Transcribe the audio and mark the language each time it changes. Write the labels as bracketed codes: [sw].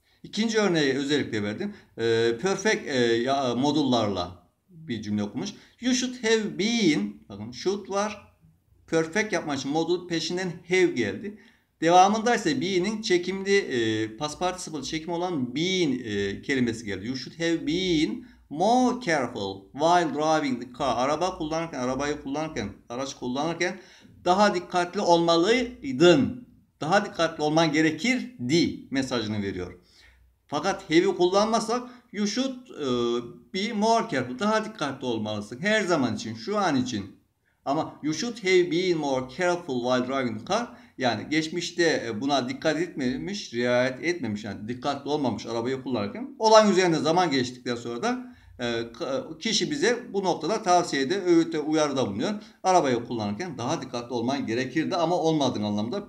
[tr] İkinci örneği özellikle verdim. Perfect modullarla bir cümle kurmuş. [en] You should have been. [tr] Bakın should var. Perfect yapmak için modul peşinden have geldi. Devamında ise been'in çekimli, past participle çekimi olan been kelimesi geldi. [en] You should have been more careful while driving the car. [tr] Araba kullanırken, arabayı kullanırken, araç kullanırken daha dikkatli olmalıydın. Daha dikkatli olman gerekirdi mesajını veriyor. Fakat have'i kullanmasak [en] you should be more careful. [tr] Daha dikkatli olmalısın. Her zaman için, şu an için. Ama [en] you should have been more careful while driving the car. [tr] Yani geçmişte buna dikkat etmemiş, riayet etmemiş, yani dikkatli olmamış arabayı kullanırken. Olan üzerinde zaman geçtikten sonra da kişi bize bu noktada tavsiyede, öğütte, uyarıda bulunuyor. Arabayı kullanırken daha dikkatli olman gerekirdi ama olmadığın anlamda.